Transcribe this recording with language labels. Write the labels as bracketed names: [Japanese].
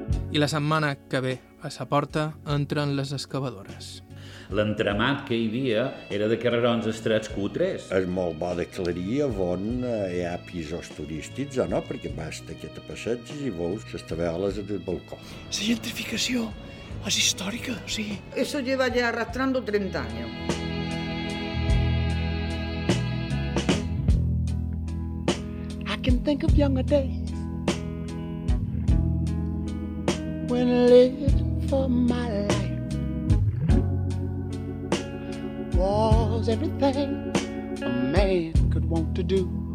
[Catalan] I la setmana que ve a sa porta entren les excavadores. L'entramat que hi havia era de carrerons estrets cutres. És molt bo d'aclarir on hi ha pisos turístics o no, perquè basta que te passegis i veus les tabeles del balcó. La gentrificació és històrica, sí. [Spanish] Eso lleva ya arrastrando 30 años. [English] I can think of younger days. When I lived for my life, was everything a man could want to do.